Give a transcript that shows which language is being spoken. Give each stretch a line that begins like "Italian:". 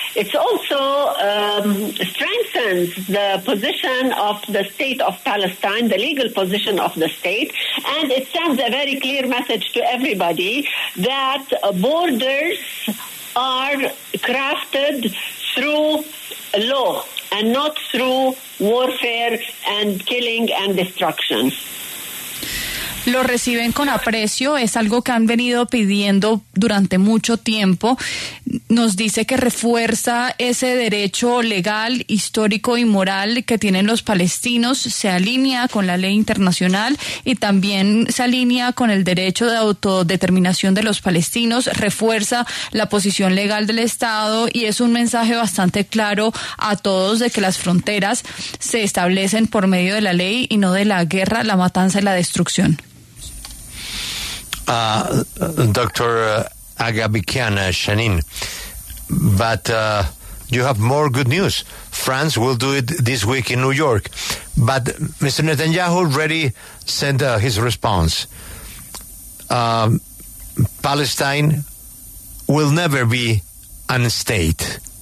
English: It's also strengthens the position of the state of Palestine, the legal position of the state, and it sends a very clear message to everybody that borders are crafted through law and not through warfare and killing and destruction.
Spanish: Lo reciben con aprecio, es algo que han venido pidiendo durante mucho tiempo. Nos dice que refuerza ese derecho legal, histórico y moral que tienen los palestinos, se alinea con la ley internacional y también se alinea con el derecho de autodeterminación de los palestinos, refuerza la posición legal del Estado y es un mensaje bastante claro a todos de que las fronteras se establecen por medio de la ley y no de la guerra, la matanza y la destrucción.
English: Dr. Aga Vekian Shanin, but you have more good news. France will do it this week in New York, but Mr. Netanyahu already sent his response. Palestine will never be a state.